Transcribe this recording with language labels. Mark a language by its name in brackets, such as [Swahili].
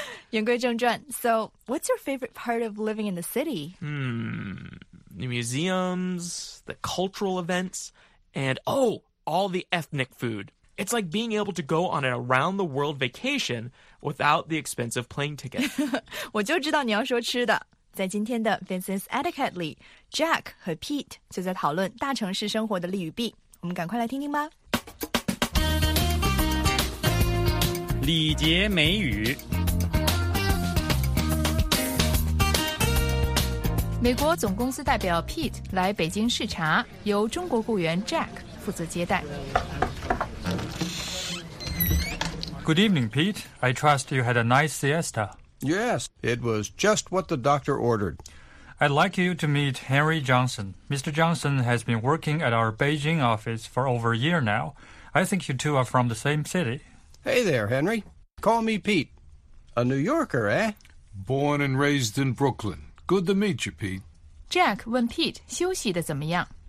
[Chinese] 言归正传 [English] So, what's your favorite part of living in the city? The museums, the cultural events, and, oh, all the ethnic food. It's like being able to go on an around-the-world vacation without the expense of plane ticket. [Chinese] 我就知道你要说吃的。在今天的 Business Etiquette 里 ,Jack 和 Pete 就在讨论大城市生活的利与弊。我们赶快来听听吧。礼节美语。美国总公司代表 Pete 来北京视察，由中国雇员 Jack 负责接待。 [English] Good evening, Pete. I trust you had a nice siesta. Yes, it was just what the doctor ordered. I'd like you to meet Henry Johnson. Mr. Johnson has been working at our Beijing office for over a year now. I think you two are from the same city. Hey there, Henry. Call me Pete. A New Yorker, eh? Born and raised in Brooklyn. Good to meet you, Pete. [Chinese] Jack 问 Pete 休息得怎么样